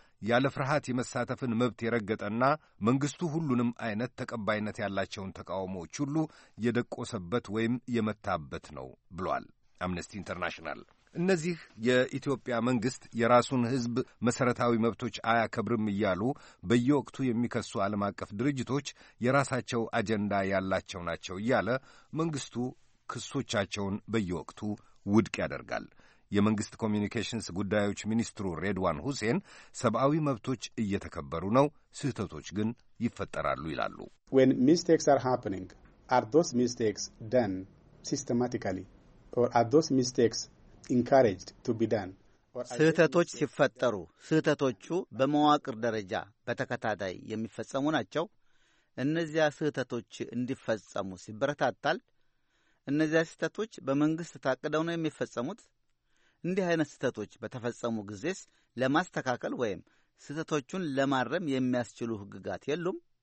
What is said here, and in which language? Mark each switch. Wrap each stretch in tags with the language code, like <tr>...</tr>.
<am>ያለ ፍርሃት የመሳተፍን መብት የረገጠና መንግሥቱ ሁሉንም አይነት ተቀባይነት ያላቸውን ተቃውሞዎች ሁሉ የደቆሰበት ወይም የመታበት ነው ብሏል አምነስቲ ኢንተርናሽናል። እነዚህ የኢትዮጵያ መንግሥት የራሱን ሕዝብ መሠረታዊ መብቶች አያከብርም እያሉ በየወቅቱ የሚከሱ ዓለም አቀፍ ድርጅቶች የራሳቸው አጀንዳ ያላቸው ናቸው እያለ መንግሥቱ ክሶቻቸውን በየወቅቱ ውድቅ ያደርጋል። የመንግስት ኮሚኒኬሽንስ ጉዳዮች ሚኒስትሩ ሬድዋን ሁሴን ሰብአዊ መብቶች እየተከበሩ ነው፣ ስህተቶች ግን ይፈጠራሉ ይላሉ።</am> <en>When mistakes are happening, are those mistakes done systematically or are those mistakes encouraged to be done?</en> <am>ስህተቶች ሲፈጠሩ ስህተቶቹ በመዋቅር ደረጃ በተከታታይ የሚፈጸሙ ናቸው? እነዚያ ስህተቶች እንዲፈጸሙ ሲበረታታል? እነዚያ ስህተቶች በመንግስት ታቅደው ነው የሚፈጸሙት? እንዲህ አይነት ስህተቶች በተፈጸሙ ጊዜስ ለማስተካከል ወይም ስህተቶቹን ለማረም የሚያስችሉ ህግጋት የሉም?</am>